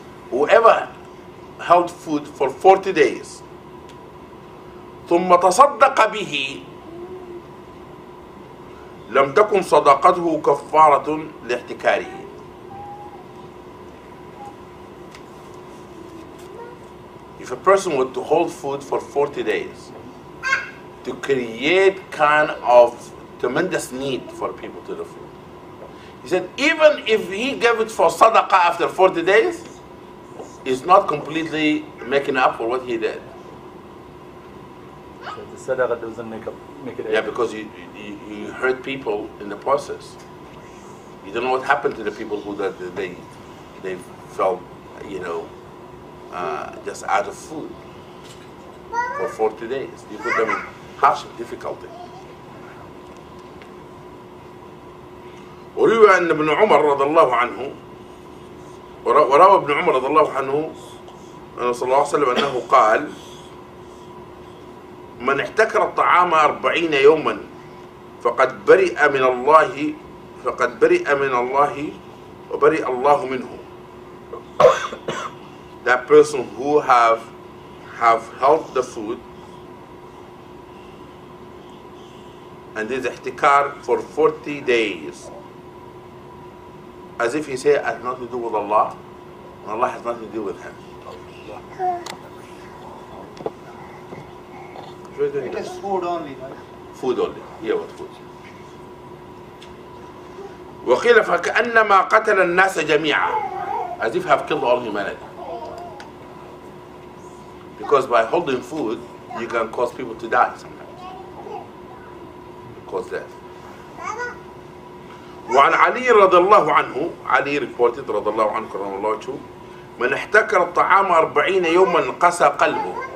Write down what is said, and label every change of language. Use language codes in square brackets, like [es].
[en] Whoever held food for 40 days. [ar] ثم تصدق به. لم تكن صدقته كفارة لاحتكاره. [en] If a person were to hold food for 40 days to create kind of tremendous need for people to the food, he said, even if he gave it for sadaqa after 40 days, he's not completely making up for what he did. So the sadaqa doesn't make it. Yeah, because he hurt people in the process. You don't know what happened to the people who that they felt, you know, just out of food for 40 days. You put them in harsh difficulty. [ar] وروى أن ابن عمر رضي الله عنه وروى ابن عمر رضي الله عنه أن صلى الله عليه وسلم أنه قال من احتكر الطعام 40 يوما فقد برئ من الله فقد برئ من الله وبرئ الله منه. [en] That person who have held the food and did ihtikar for 40 days as if he said, I have nothing to do with Allah, and Allah has nothing to do with him. It is food only, right? Food only. Here, what food? [ar] وقيل فكأنما قتل الناس جميعا. [en] As if he have killed all humanity. Because by holding food, you can cause people to die sometimes. Cause death. [ar] وعن علي رضي الله عنه علي [en] reported [ar] رضي الله عنه كرم الله وجهه من احتكر الطعام 40 يوما قسى قلبه.